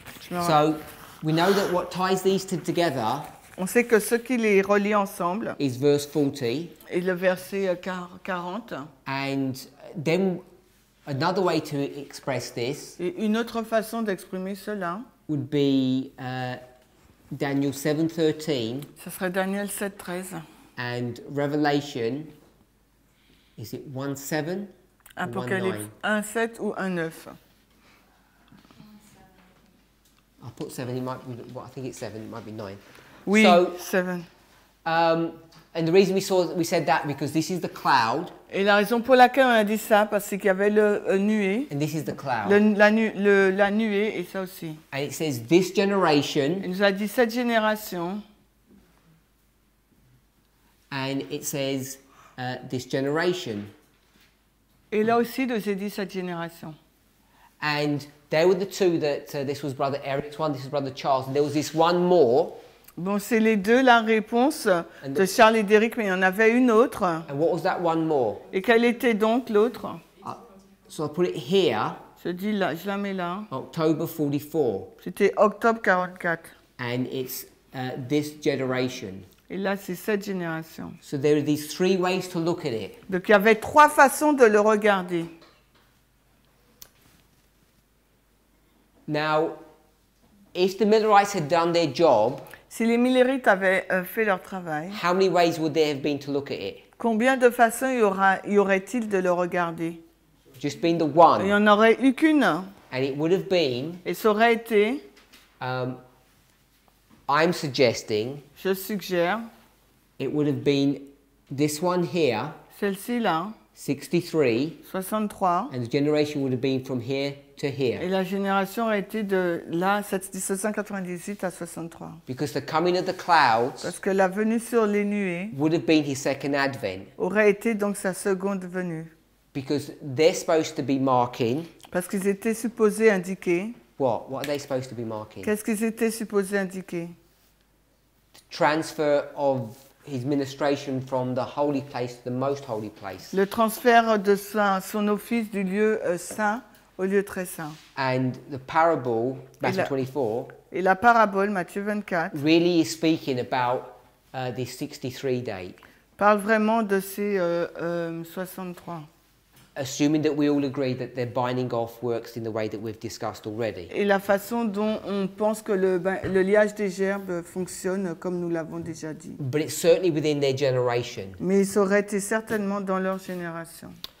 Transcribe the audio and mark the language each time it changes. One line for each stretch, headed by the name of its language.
English: So, we know that what ties these two together.
French: On sait que ce qui les relie ensemble
English: is verse 40.
French: Est le verset 40.
English: And then another way to express this.
French: Et une autre façon d'exprimer cela
English: would be Daniel 7:13.
French: Ce serait Daniel 7:13.
English: And Revelation, is it 1:7?
French: Apocalypse 1:7 ou 1:9?
English: I put 7. It might be. Well, I think it's 7. It might be 9.
French: Oui,
English: so,
French: 7.
English: And the reason we said that because this is the cloud.
French: Et la raison pour laquelle on a dit ça parce qu'il y avait le nuée.
English: And this is the cloud.
French: La nuée et ça aussi.
English: And it says this generation.
French: Il nous a dit cette génération.
English: And it says this generation.
French: Et là aussi, il nous a dit cette génération.
English: And there were the two that this was Brother Eric's one, this is Brother Charles, and there was this one more.
French: Bon, c'est les deux, la réponse de Charles et d'Éric, mais il y en avait une autre.
English: And what was that one more?
French: Et quelle était donc l'autre?
English: So I put it here.
French: Je dis là, je la mets là.
English: October 44.
French: C'était octobre 44.
English: And it's this generation.
French: Et là, c'est cette génération.
English: So there are these three ways to look at it.
French: Donc, il y avait trois façons de le regarder.
English: Now, if the Millerites had done their job,
French: si les Millerites avaient fait leur travail,
English: how many ways would they have been to look at it?
French: Combien de façons y aurait-il de le regarder?
English: Just been the one.
French: Il n'y en aurait eu qu'une.
English: And it would have been,
French: et ça aurait été,
English: I'm suggesting,
French: je suggère,
English: it would have been this one here,
French: celle-ci là, 63,
English: and the generation would have been from here to here.
French: Et la génération a été de là, 1798 à 63.
English: Because the coming of the clouds,
French: parce que la venue sur les nuées,
English: would have been his second advent.
French: Aurait été donc sa seconde venue.
English: Because they're supposed to be marking.
French: Parce qu'ils étaient supposés indiquer.
English: What are they supposed to be marking?
French: Qu'est-ce qu'ils étaient supposés indiquer?
English: The transfer of his ministration from the holy place to the most holy place.
French: Le transfert de son office du lieu saint au lieu très saint.
English: And the parable, Matthew 24.
French: Et la parabole, Matthieu 24.
English: Really is speaking about this 63 date.
French: Parle vraiment de ces 63.
English: Assuming that we all agree that their binding off works in the way that we've discussed already.
French: Et la façon dont on pense que le liage des gerbes fonctionne comme nous l'avons déjà dit.
English: But it's certainly within their generation.
French: Mais ça aurait été certainement dans leur génération.